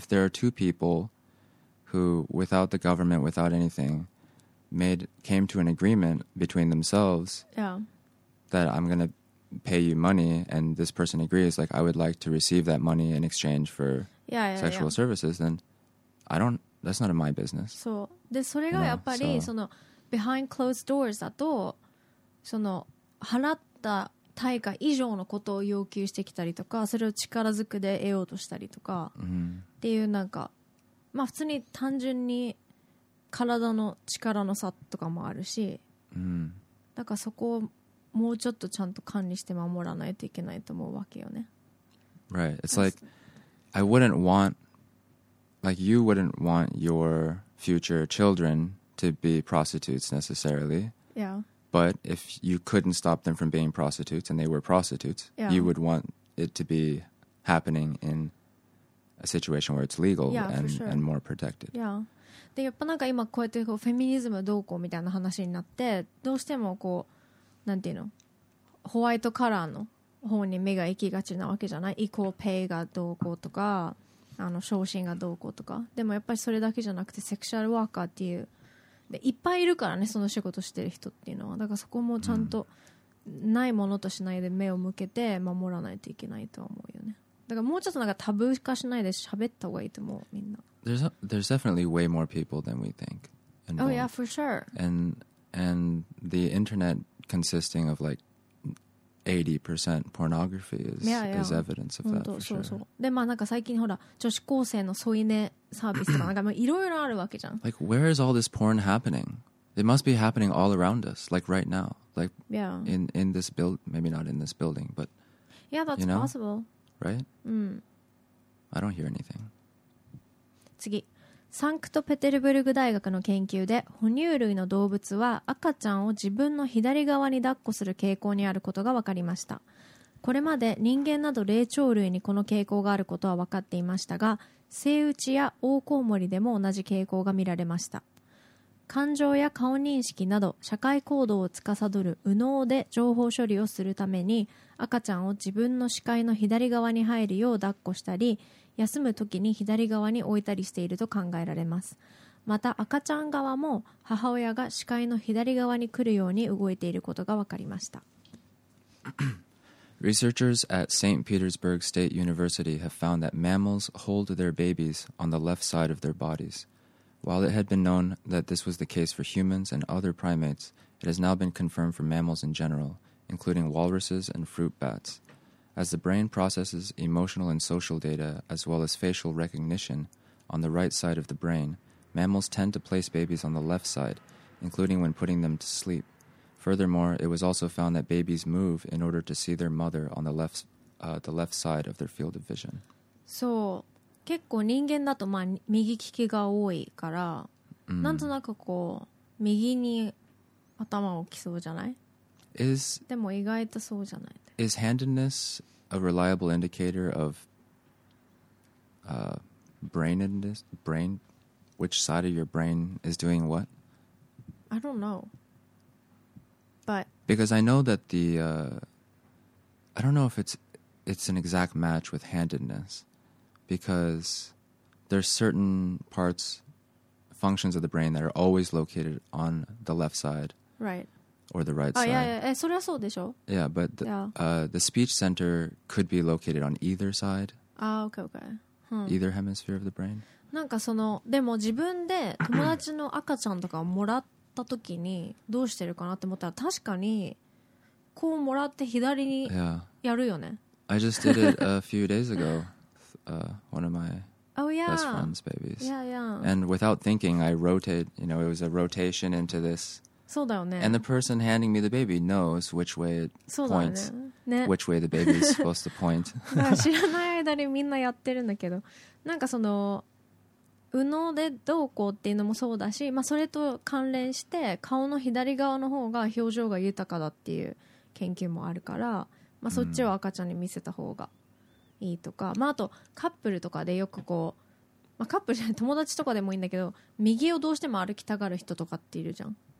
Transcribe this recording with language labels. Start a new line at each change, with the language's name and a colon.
English: If there are two people who, without the government, without anything, came to an agreement between themselves that I'm going to pay you money and this person agrees, like, I would like to receive that money in exchange for sexual services, then that's not in my business.
Japanese: So, で、それがやっぱり、その、
English: behind closed doors
Japanese: だと、その、払った対価以上のことを要求してきたりとか、それを力ずくで得ようとしたりとか、っていうなんか、まあ普通に単純に体の力の差とかもあるし、だからそこをもうちょっとちゃんと管理して守らないといけないと思うわけよね。
English: Right. It's like, I wouldn't want, like you wouldn't want your... future children to be prostitutes necessarily. Yeah. But if you couldn't stop them from being prostitutes and they were prostitutes, you would want it to be happening in a situation where it's legal and more protected. Yeah.
Japanese: で、やっぱなんか今こうやってこうフェミニズムどうこうみたいな話になって、どうしてもこう、なんていうの、ホワイトカラーの方に目が行きがちなわけじゃない？イコールペイがどうこうとか。あの昇進がどうこうとかでもやっぱりそれだけじゃなくてセクシャルワーカーっていうでいっぱいいるからねその仕事してる人っていうのはだからそこもちゃんとないものとしないで目を向けて守らないといけないとは思うよねだからもうちょっとなんかタブー化しないで喋った方がいいと思うみんな
English: There's definitely way more people than we think involved. Oh yeah for sure And the internet consisting of like 80% pornography is evidence of that for sure.
Japanese: そうそう。で、まあなんか最近ほら、女子高生の添い寝サービスとかなんかもういろいろあるわけじゃん。
English: Like, where is all this porn happening? It must be happening all around us, like right now. Like, in this build, maybe not in this building, but, yeah, that's you know? possible. Right? うん。 I don't hear anything.
Japanese: 次。サンクトペテルブルグ大学の研究で哺乳類の動物は赤ちゃんを自分の左側に抱っこする傾向にあることが分かりましたこれまで人間など霊長類にこの傾向があることは分かっていましたがセイウチやオオコウモリでも同じ傾向が見られました感情や顔認識など社会行動を司る右脳で情報処理をするために赤ちゃんを自分の視界の左側に入るよう抱っこしたり休むときに左側に置いたりしていると考えられます。また赤ちゃん側も母親が視界の左側に来るように動いていることが分かりました。
English: Researchers at St. Petersburg State University have found that mammals hold their babies on the left side of their bodies. While it had been known that this was the case for humans and other primates, it has now been confirmed for mammals in general, including walruses and fruit bats. As the brain processes emotional and social data, as well as facial recognition, on the right side of the brain, mammals tend to place babies on the left side, including when putting them to sleep. Furthermore, it was also found that babies move in order to see their mother on the left side of their field of vision.
Japanese: So, 結構人間だとまあ右利きが多いから、なんとなくこう右に頭を置きそうじゃない？でも意外とそうじゃない。
English: Is handedness a reliable indicator of brain? Which side of your brain is doing what? I don't know. But... Because I know that the... I don't know if it's an exact match with handedness. Because there's certain parts, functions of the brain that are always located on the left side. Right. Or the right side. Yeah,
Japanese: それはそうでしょ?
English: Yeah, but the, the speech center could be located on either side. Ah, okay, okay. Either hemisphere of the brain.
Japanese: なんかその、でも自分で友達の赤ちゃんとかをもらった時にどうしてるかなって思ったら確かにこうもらって左にやるよね。
English: Yeah. I just did it a few days ago. One of my best friend's babies. Yeah, yeah. And without thinking, I rotated, you know, it was a rotation into this...
Japanese: そうだよね。
English: And the person handing me the baby knows which way it points,、ねね、 which way the baby is supposed to point.
Japanese: 知らない間にみんなやってるんだけど、なんかその右脳でどうこうっていうのもそうだし、まあ、それと関連して顔の左側の方が表情が豊かだっていう研究もあるから、まあ、そっちを赤ちゃんに見せた方がいいとか、まあ、あとカップルとかでよくこう、まあ、カップルじゃない友達とかでもいいんだけど右をどうしても歩きたがる人とかっているじゃん、